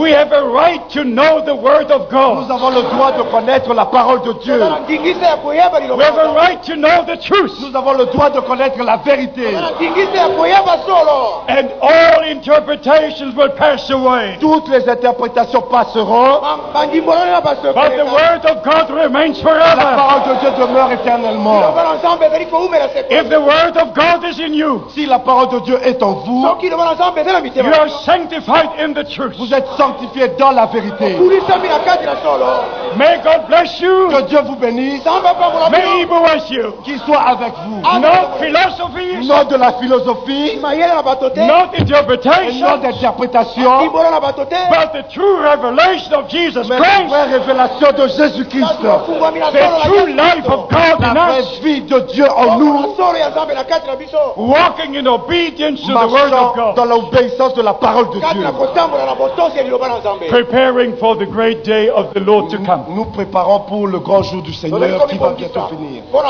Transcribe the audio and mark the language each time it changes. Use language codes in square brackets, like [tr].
[en] We have a right to know the word of God. [fr] Nous avons le droit de connaître la parole de Dieu. [en] We have a right to know the truth. [fr] Nous avons le droit de connaître la vérité. [en] And all interpretations will pass away. [fr] Toutes les interprétations passeront. [en] But the word of God remains forever. [fr] La parole de Dieu demeure éternellement. [en] If the word of God is in you, [fr] si la parole de Dieu est en vous, [en] you are sanctified in the truth. [fr] Vous êtes sanctifié dans la vérité. [en] May God bless you. [fr] Que Dieu vous bénisse. [en] May He bless you. [fr] Qu'il soit avec vous. [en] Not philosophy. [fr] Not de la philosophie. [en] Not interpretation. Not interpretation. But the true revelation of Jesus Christ. [fr] La vraie révélation de Jésus Christ. [en] The true life of God in us. [fr] Vie de Dieu en nous. [en] Walking in obedience to the word of God. [fr] Dans l'obéissance de la parole de Dieu. [en] Preparing for the great day of the Lord to come. [fr] Nous préparons pour le grand jour du Seigneur qui va bientôt venir.